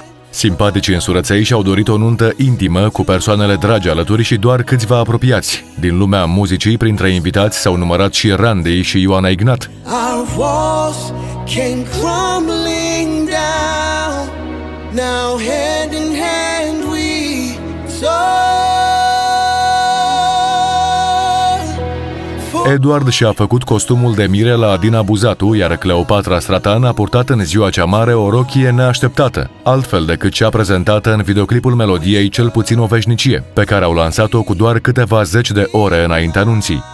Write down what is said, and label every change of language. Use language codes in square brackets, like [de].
[ro] Simpatici însurăței și-au dorit o nuntă intimă cu persoanele dragi alături și doar câțiva apropiați. Din lumea muzicii, printre invitați s-au numărat și Randy și Ioana Ignat. [en] Our walls came crumbling down, now hand in hand we soar. [ro] Eduard și-a făcut costumul de mire la Adina Buzatu, iar Cleopatra Stratan a purtat în ziua cea mare o rochie neașteptată, altfel decât cea prezentată în videoclipul melodiei Cel puțin o veșnicie, pe care au lansat-o cu doar câteva zeci de ore înainte anunții.